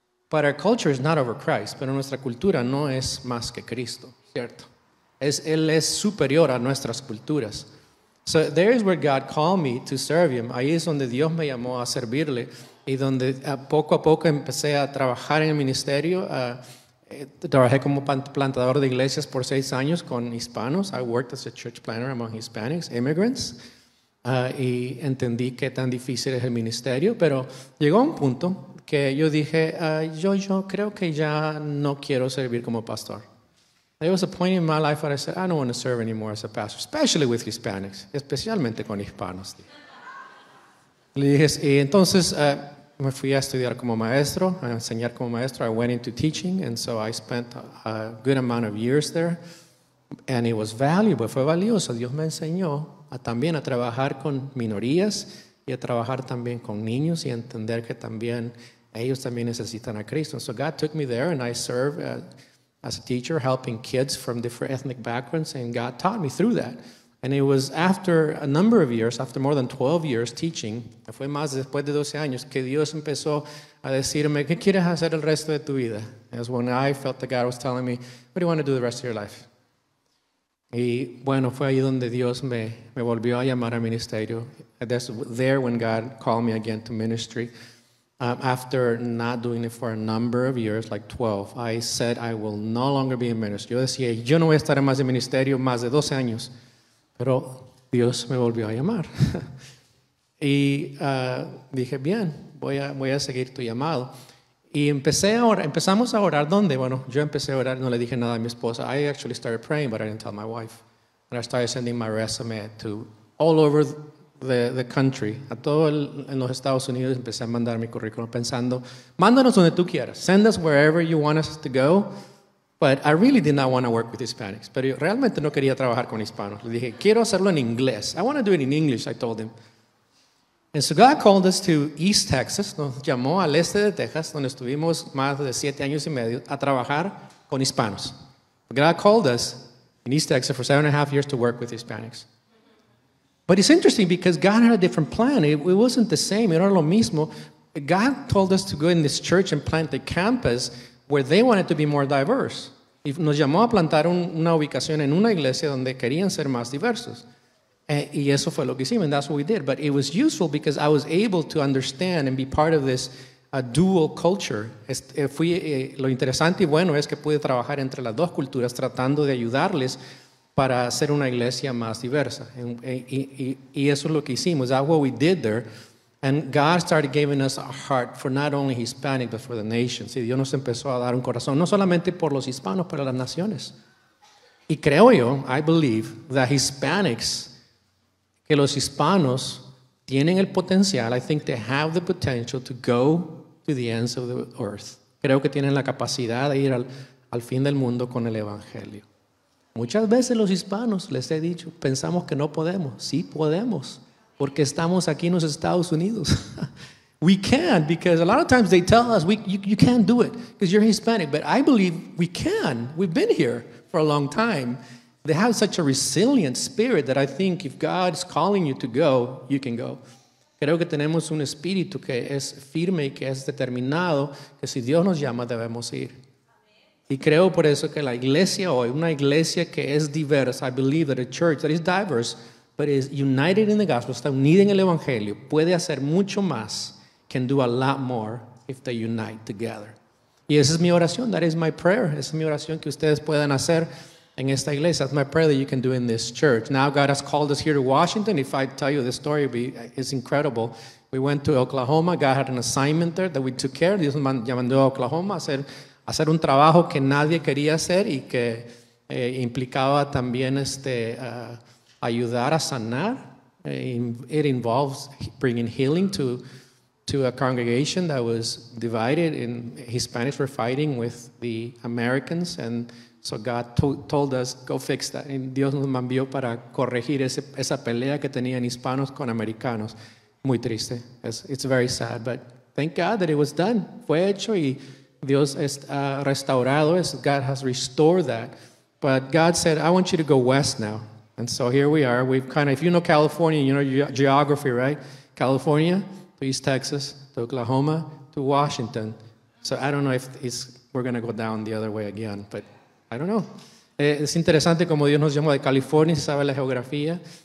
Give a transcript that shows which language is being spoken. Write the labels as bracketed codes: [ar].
[en] But our culture is not over Christ. [es] Pero nuestra cultura no es más que Cristo, ¿cierto? Él es superior a nuestras culturas. [en] So there is where God called me to serve Him. [es] Ahí es donde Dios me llamó a servirle. Y donde poco a poco empecé a trabajar en el ministerio. Trabajé como plantador de iglesias por 6 años con hispanos. [en] I worked as a church planter among Hispanics, immigrants. [es] Y entendí qué tan difícil es el ministerio. Pero llegó un punto que yo dije, yo creo que ya no quiero servir como pastor. [en] There was a point in my life where I said, I don't want to serve anymore as a pastor, especially with Hispanics, [es] especialmente con hispanos. Le dije, y entonces me fui a estudiar como maestro, a enseñar como maestro. [en] I went into teaching, and so I spent a good amount of years there. And it was valuable, [es] fue valioso. Dios me enseñó también a trabajar con minorías y a trabajar también con niños y entender que también ellos también necesitan a Cristo. [en] So God took me there, and I served as a teacher, helping kids from different ethnic backgrounds, and God taught me through that. And it was after a number of years, after more than 12 years teaching, [es] fue más después de 12 años, que Dios empezó a decirme, ¿qué quieres hacer el resto de tu vida? [en] That's when I felt that God was telling me, what do you want to do the rest of your life? [es] Y bueno, fue ahí donde Dios me volvió a llamar al ministerio. [en] That's there when God called me again to ministry. After not doing it for a number of years, like 12, I said, I will no longer be in ministry. [es] Yo decía, yo no voy a estar más en ministerio más de 12 años. Pero Dios me volvió a llamar. Y dije, bien, voy a seguir tu llamado. Y empecé a orar. ¿Empezamos a orar dónde? Bueno, yo empecé a orar, no le dije nada a mi esposa. [en] I actually started praying, but I didn't tell my wife. And I started sending my resume to all over the country. [es] A todo en los Estados Unidos empecé a mandar mi currículum pensando, mándanos donde tú quieras. [en] Send us wherever you want us to go. But I really did not want to work with Hispanics. [es] Pero yo realmente no quería trabajar con hispanos. Le dije, quiero hacerlo en inglés. [en] I want to do it in English, I told him. And so God called us to East Texas, [es] nos llamó al este de Texas, donde estuvimos más de 7 años y medio, a trabajar con hispanos. [en] God called us in East Texas for 7.5 years to work with Hispanics. But it's interesting because God had a different plan. It wasn't the same, [es] era lo mismo. [en] God told us to go in this church and plant a campus where they wanted to be more diverse. [es] Y nos llamó a plantar una ubicación en una iglesia donde querían ser más diversos. Y eso fue lo que hicimos, [en] and that's what we did. But it was useful because I was able to understand and be part of this dual culture. [es] Lo interesante y bueno es que pude trabajar entre las dos culturas tratando de ayudarles para hacer una iglesia más diversa. Y eso es lo que hicimos. [en] That's what we did there. And God started giving us a heart for not only Hispanic, but for the nations. [es] Y Dios nos empezó a dar un corazón, no solamente por los hispanos, pero las naciones. Y creo yo, [en] I believe, that Hispanics... [es] Que los hispanos tienen el potencial, [en] I think they have the potential to go to the ends of the earth. [es] Creo que tienen la capacidad de ir al fin del mundo con el evangelio. Muchas veces los hispanos, les he dicho, pensamos que no podemos. Sí podemos, porque estamos aquí en los Estados Unidos. [en] We can, because a lot of times they tell us, you can't do it, because you're Hispanic. But I believe we can. We've been here for a long time. They have such a resilient spirit that I think if God's calling you to go, you can go. [es] Creo que tenemos un espíritu que es firme y que es determinado, que si Dios nos llama, debemos ir. Y creo por eso que la iglesia hoy, una iglesia que es diversa, [en] I believe that a church that is diverse, but is united in the gospel, [es] está unida en el evangelio, puede hacer mucho más, [en] can do a lot more if they unite together. [es] Y esa es mi oración, [en] that is my prayer. [es] Esa es mi oración que ustedes puedan hacer en esta iglesia. [en] That's my prayer that you can do in this church. Now God has called us here to Washington. If I tell you the story, it's incredible. We went to Oklahoma. God had an assignment there that we took care of. [es] Dios mandó a Oklahoma a hacer un trabajo que nadie quería hacer y que implicaba también ayudar a sanar. [en] It involves bringing healing to a congregation that was divided, and Hispanics were fighting with the Americans, and so God told us, go fix that. [es] Y Dios nos envió para corregir esa pelea que tenían hispanos con americanos. Muy triste. [en] It's very sad. But thank God that it was done. [es] Fue hecho y Dios ha restaurado eso. [en] God has restored that. But God said, I want you to go west now. And so here we are. We've kind of, if you know California, you know geography, right? California to East Texas to Oklahoma to Washington. So I don't know if we're going to go down the other way again, but I don't know. [es] Es interesante como Dios nos llamó de California, se sabe la geografía.